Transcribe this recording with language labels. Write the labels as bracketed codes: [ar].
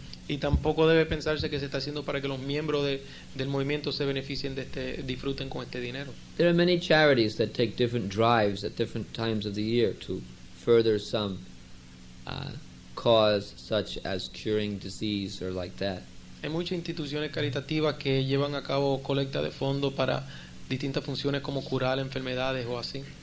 [es] Y tampoco debe pensarse que se está haciendo para que los miembros del movimiento se beneficien de este, disfruten con este dinero. [en] There are many charities that take different drives at different times of the year to further some cause such as curing disease or like that. [es] Hay muchas instituciones caritativas que llevan a cabo colecta de fondos para distintas funciones como curar enfermedades o así.